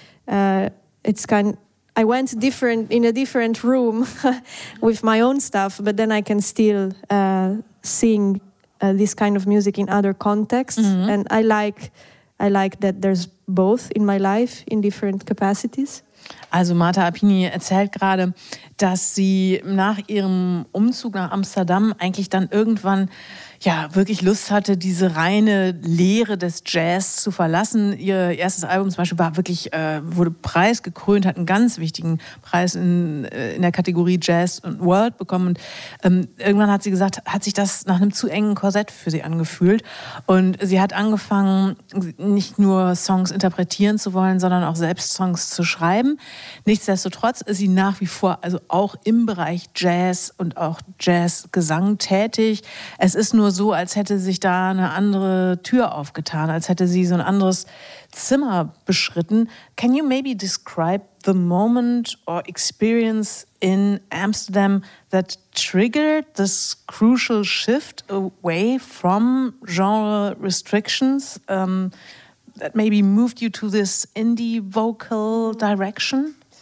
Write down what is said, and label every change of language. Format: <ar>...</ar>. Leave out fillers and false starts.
<en>I went different in a different room with my own stuff, but then I can still sing this kind of music in other contexts. Mm-hmm. And I like that there's both in my life in different capacities.</en> <de>Also Marta Apini erzählt gerade, dass sie nach ihrem Umzug nach Amsterdam eigentlich dann irgendwann ja wirklich Lust hatte, diese reine Lehre des Jazz zu verlassen. Ihr erstes Album zum Beispiel wurde preisgekrönt, hat einen ganz wichtigen Preis in der Kategorie Jazz und World bekommen. Und irgendwann hat sie gesagt, hat sich das nach einem zu engen Korsett für sie angefühlt. Und sie hat angefangen, nicht nur Songs interpretieren zu wollen, sondern auch selbst Songs zu schreiben. Nichtsdestotrotz ist sie nach wie vor, also auch im Bereich Jazz und auch Jazzgesang tätig. Es ist nur so, als hätte sich da eine andere Tür aufgetan, als hätte sie so ein anderes Zimmer beschritten.</de> <en>Can you maybe describe the moment or experience in Amsterdam that triggered this crucial shift away from genre restrictions that maybe moved you to this indie vocal direction?</en>